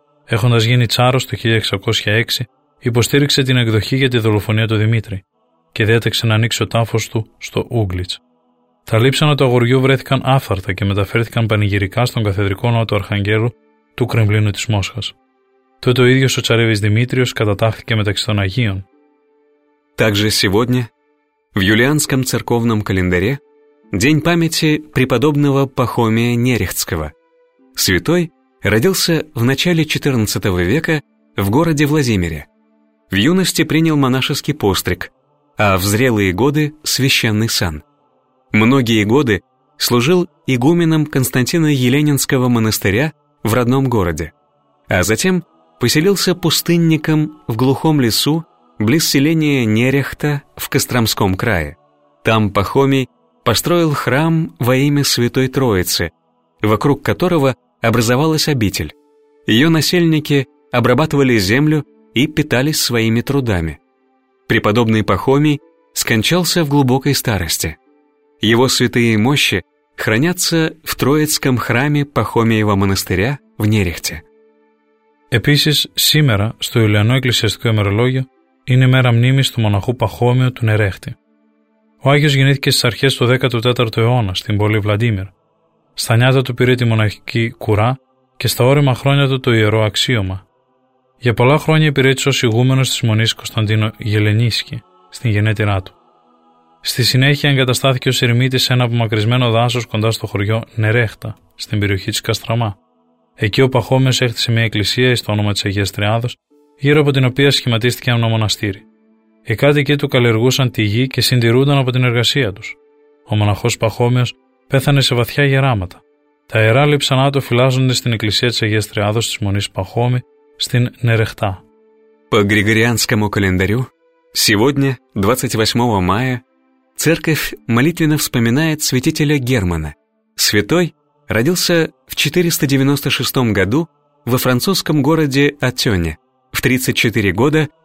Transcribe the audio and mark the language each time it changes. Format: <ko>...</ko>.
<el>Έχοντας γίνει τσάρος το 1606, υποστήριξε την εκδοχή για τη δολοφονία του Δημήτρη και διέταξε να ανοίξει ο τάφος του στο Ούγκλιτς. Τα λείψανα του αγοριού βρέθηκαν άφθαρτα και μεταφέρθηκαν πανηγυρικά στον καθεδρικό ναό του Αρχαγγέλου του Κρεμλίνου της Μόσχας. Τότε ο ίδιος ο Τσαρέβης Δημήτριος κατατάχθηκε μεταξύ των Αγίων.</el> <ru>Также сегодня в юлианском церковном календаре день памяти преподобного Пахомия Нерехтского. Святой родился в начале 14 века в городе Владимире. В юности принял монашеский постриг, а в зрелые годы священный сан. Многие годы служил игуменом Константина Еленинского монастыря в родном городе, а затем поселился пустынником в глухом лесу близ селения Нерехта в Костромском крае. Там Пахомий построил храм во имя Святой Троицы, вокруг которого образовалась обитель. Ее насельники обрабатывали землю и питались своими трудами. Преподобный Пахомий скончался в глубокой старости. Его святые мощи хранятся в Троицком храме Пахомиева монастыря в Нерехте.</ru> <el>Επίσης, σήμερα, στο Ιουλιανό Εκκλησιαστικό ημερολόγιο, είναι η μέρα μνήμης του μοναχού Παχώμιου του Νερέχτη. Ο Άγιος γεννήθηκε στις αρχές του 14ου αιώνα, στην πόλη Βλαντίμιρ. Στα νιάτα του πήρε τη μοναχική κουρά και στα όρημα χρόνια του το ιερό αξίωμα. Για πολλά χρόνια υπηρέτησε ως ηγούμενος της μονής Κωνσταντίνο Γελενίσκη, στην γενέτειρά του. Στη συνέχεια εγκαταστάθηκε ως ερημίτης σε ένα απομακρυσμένο δάσος κοντά στο χωριό Νερέχτα, στην περιοχή της Καστραμά. Εκεί ο Παχώμιος έχτισε μια εκκλησία στο όνομα της Αγίας Τριάδος, γύρω από την οποία σχηματίστηκε ένα μοναστήρι. Οι κάτοικοι του καλλιεργούσαν τη γη και συντηρούνταν από την εργασία τους. Ο μοναχός Παχώμιος πέθανε σε βαθιά γεράματα. Τα ιερά λείψανά του φυλάζονται στην εκκλησία της Αγίας Τριάδος της Μονής Παχώμη, στην Νερεχτά.</el> <ru>По григорианскому календарю, сегодня, 28 мая, церковь молитвенно вспоминает святителя Германа. Святой родился в 496 году во французском городе Атёне. В 34 года</ru>